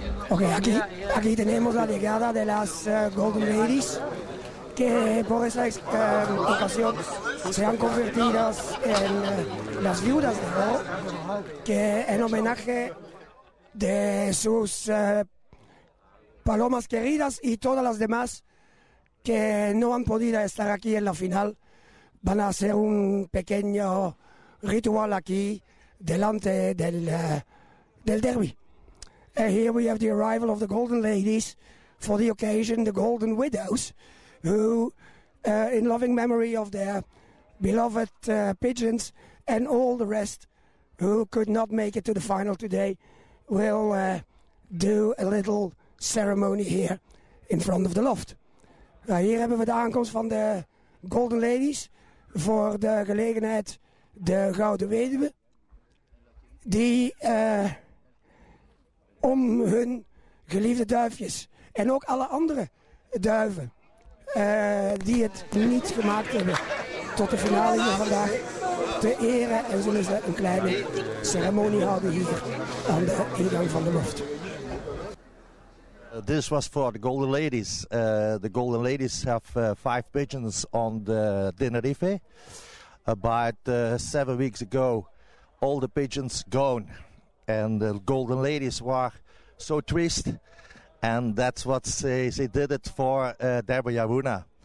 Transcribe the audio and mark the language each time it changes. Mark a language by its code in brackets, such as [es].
[es] Okay, aquí tenemos la llegada de las Golden Ladies, que por esa ocasión se han convertido en las viudas de oro, que en homenaje de sus palomas queridas y todas las demás que no han podido estar aquí en la final, van a hacer un pequeño ritual aquí delante del derby. [en] Here we have the arrival of the Golden Ladies for the occasion, the Golden Widows, who, in loving memory of their beloved pigeons and all the rest who could not make it to the final today, will do a little ceremony here in front of the loft. [nl] Hier hebben we de aankomst van de Golden Ladies voor de gelegenheid de Gouden Weduwe, die om hun geliefde duifjes en ook alle andere duiven die het niet gemaakt hebben tot de finale hier vandaag te eren en zullen ze een kleine ceremonie houden hier aan de ingang van de loft. [en] This was for the Golden Ladies. The Golden Ladies have five pigeons on the Tenerife. About 7 weeks ago, all the pigeons gone. And the Golden Ladies were so triste. And that's what they did it for Derbi Arona.